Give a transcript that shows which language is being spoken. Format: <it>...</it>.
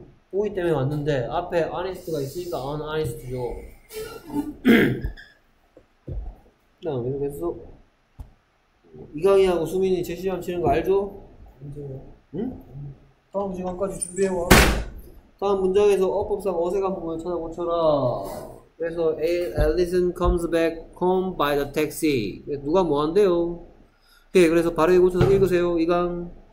<ko>보기 때문에 왔는데 앞에 honest가 있으니까 unhonest죠. 나 왜 이렇게 했어? 이강이하고 수민이 제시험 치는 거 알죠? 응? 다음 시간까지 준비해와. 다음 문장에서 어법상 어색한 부분을 찾아고쳐라.</ko> <en>그래서 Allison comes back home by the taxi.</en> <ko>누가 뭐 한대요? 네, 그래서 발음 고쳐서 읽으세요, 이강.</ko>